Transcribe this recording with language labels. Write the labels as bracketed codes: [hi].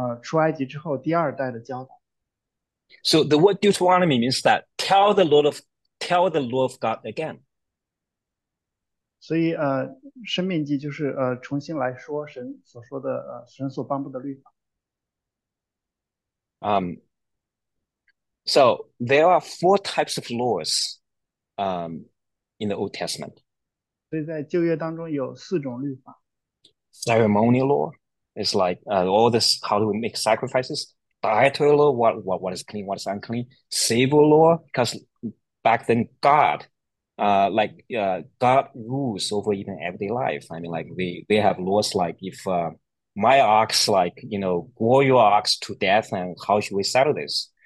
[zh] 那在我生命记当中，我们读到了摩西当时对出埃及之后第二代的教导。 [en] So the word Deuteronomy means that tell the law of God again. [zh] 所以，生命记就是重新来说神所说的神所颁布的律法。 [en] So there are four types of laws in the Old Testament. [zh] 所以在旧约当中有四种律法。 [en] Ceremonial law is like all this, how do we make sacrifices? Dietary law, what is clean, what is unclean? Civil law, because back then God, God rules over even everyday life. I mean, like they have laws like if my ox, gore your ox to death, and how should we settle this?